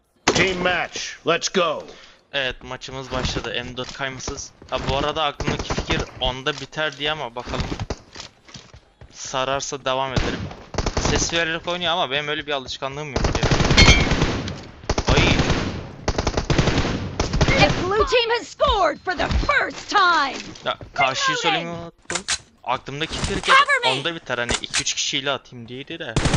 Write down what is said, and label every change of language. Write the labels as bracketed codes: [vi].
[en] Team match, let's go. [tr] Evet maçımız başladı. M4 kaymasız. Ha bu arada aklımdaki fikir onda biter diye ama bakalım. Sararsa devam ederim. Ses vererek oynuyor ama benim öyle bir alışkanlığım yok ya. Ay. [en] The blue team has scored for the first time. [tr] Ya karşıyı söylemeyi unuttum. Aklımdaki fikir ki onda biter hani 2-3 kişiyle atayım diyeydi de.